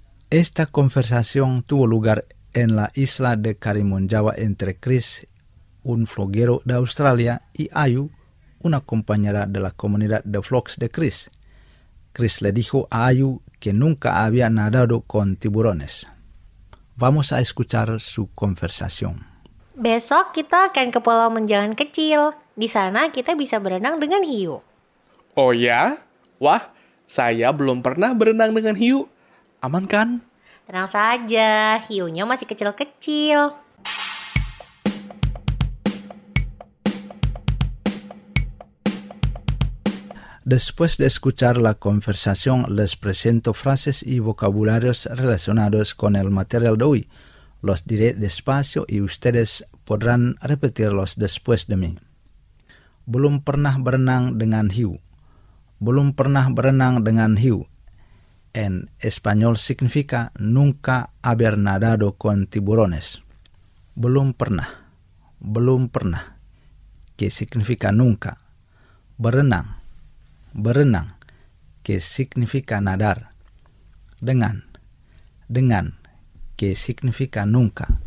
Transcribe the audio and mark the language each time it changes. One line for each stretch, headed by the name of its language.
Spanish: Esta conversación tuvo lugar en la isla de Karimun Jawa entre Chris, un floguero de Australia, y Ayu, una compañera de la comunidad de vlogs de Chris. Chris le dijo a Ayu que nunca había nadado con tiburones. Vamos a escuchar su conversación.
Indonesian: Besok kita akan ke Pulau Menjangan Kecil. Di sana kita bisa berenang dengan hiu. Oh ya? Wah, saya belum pernah berenang dengan hiu. Aman kan? Tenang saja, hiunya masih kecil-kecil.
Spanish: Después de escuchar la conversación, les presento frases y vocabularios relacionados con el material de hoy. Los diré despacio y ustedes podrán repetirlos después de mí.
Indonesian: Belum pernah berenang dengan hiu. Belum pernah berenang dengan hiu.
Spanish: En español significa nunca haber nadado con tiburones.
Indonesian: Belum pernah. Belum pernah.
Spanish: Que significa nunca.
Indonesian: Berenang.
Spanish: Berenang, que significa nadar. Dengan, dengan, que significa nunca.